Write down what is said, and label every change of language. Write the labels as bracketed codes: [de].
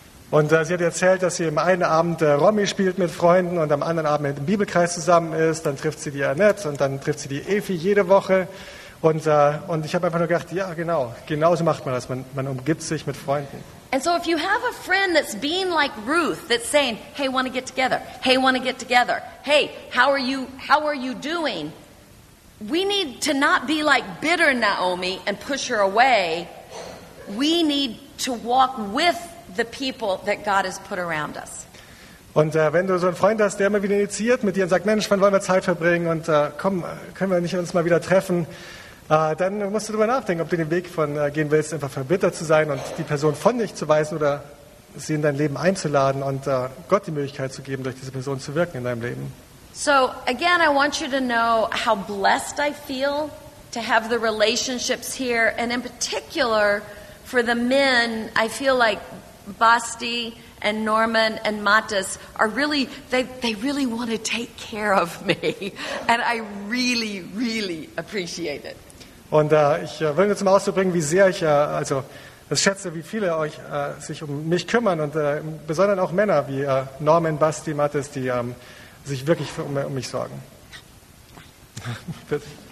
[de] Und sie hat erzählt, dass sie am einen Abend Rommi spielt mit Freunden und am anderen Abend mit dem Bibelkreis zusammen ist, dann trifft sie die Annette und dann trifft sie die Effie jede Woche. Und ich habe einfach nur gedacht, ja, genau, genauso macht man das. Man umgibt sich mit Freunden. [en] And so if you have a friend that's being like Ruth, that's saying, hey, want to get together? Hey, want to get together? Hey, how are you doing? We need to not be like bitter Naomi and push her away. We need to walk with the people that God has put around us. [de] Und wenn du so einen Freund hast, der immer wieder initiiert mit dir und sagt, Mensch, wann wollen wir Zeit verbringen? Und komm, können wir nicht uns mal wieder treffen? Dann musst du darüber nachdenken, ob du den Weg von gehen willst, einfach verbittert zu sein und die Person von dich zu weisen oder sie in dein Leben einzuladen und Gott die Möglichkeit zu geben, durch diese Person zu wirken in deinem Leben. [en] So, again, I want you to know how blessed I feel to have the relationships here, and in particular for the men, I feel like Basti and Norman and Matas are really, they really want to take care of me, and I really, really appreciate it. [de] Und ich will nur zum Ausdruck bringen, wie sehr ich, also Ich schätze, wie viele euch sich um mich kümmern und besonders auch Männer wie Norman, Basti, Mathis, die sich wirklich um mich sorgen. Bitte.